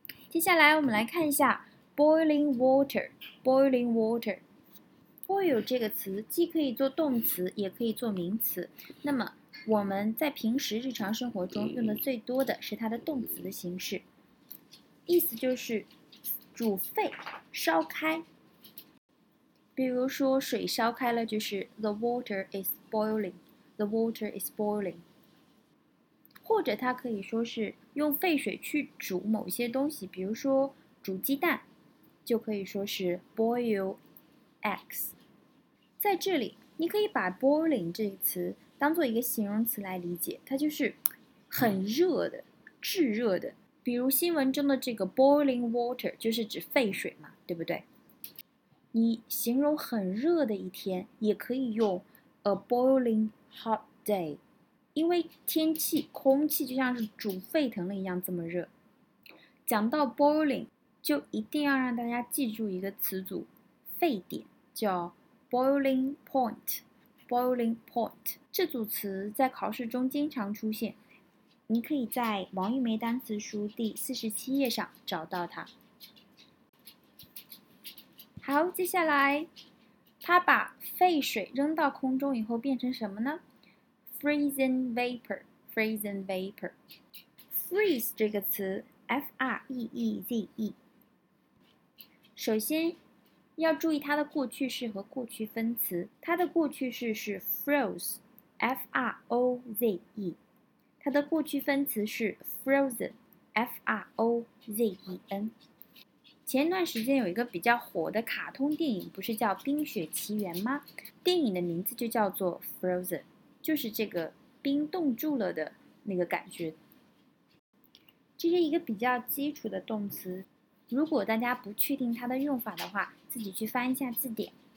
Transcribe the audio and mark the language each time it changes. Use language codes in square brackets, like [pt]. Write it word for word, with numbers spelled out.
[zh] 接下来我们来看一下 boiling water， boiling water， boil 这个词既可以做动词，也可以做名词。那么我们在平时日常生活中用的最多的是它的动词的形式，意思就是煮沸、烧开。比如说水烧开了，就是 [en] the water is boiling， the water is boiling。 [zh] 或者它可以说是用沸水去煮某些东西，比如说煮鸡蛋，就可以说是 boil eggs。在这里，你可以把 boiling 这个词当做一个形容词来理解，它就是很热的、炙热的。比如新闻中的这个 boiling water 就是指沸水嘛，对不对？你形容很热的一天，也可以用 [en] a boiling hot day。 [zh] 因为天气、空气就像是煮沸腾了一样这么热。讲到 boiling， 就一定要让大家记住一个词组，沸点，叫 boiling point。 boiling point 这组词在考试中经常出现，你可以在王玉梅单词书第四十七页上找到它。好，接下来，它把沸水扔到空中以后变成什么呢？ [en] Freezing vapor, freezing vapor. [zh] Freeze 这个词 F R E E Z E。首先要注意它的过去式和过去分词。它的过去式是 froze, F R O Z E。它的过去分词是 frozen, F R O Z E N。前段时间有一个比较火的卡通电影，不是叫《冰雪奇缘》吗？电影的名字就叫做 Frozen。就是这个冰冻住了的那个感觉。这是一个比较基础的动词，如果大家不确定它的用法的话，自己去翻一下字典。